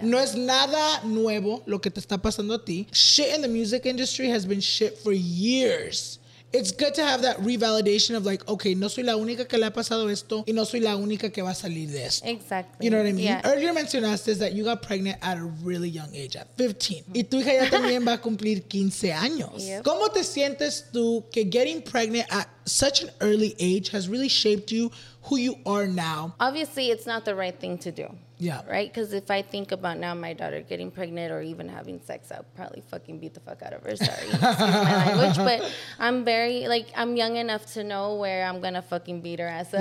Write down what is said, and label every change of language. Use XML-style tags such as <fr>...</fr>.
<es>No es nada nuevo lo que te está pasando a ti.</es> <en>Shit in the music industry has been shit for years. It's good to have that revalidation of like, okay,</en> <es>no soy la única que le ha pasado esto y no soy la única que va a salir de esto.</es> <en>Exactly. You know what I mean? Yeah. Earlier</en> <es>mencionaste</es> <en>that you got pregnant at a really young age, at 15.</en> <es>Mm-hmm. Y tu hija ya también va a cumplir 15 años.</es> <en>Yep.</en> <es>¿Cómo te sientes tú que</es> <en>getting pregnant at such an early age has really shaped you, who you are now? Obviously, it's not the right thing to do. Yeah. Right? Because if I think about now my daughter getting pregnant or even having sex, I'll probably fucking beat the fuck out of her. Sorry. Excuse my language. But I'm very, like, I'm young enough to know where I'm going to fucking beat her ass up.</en>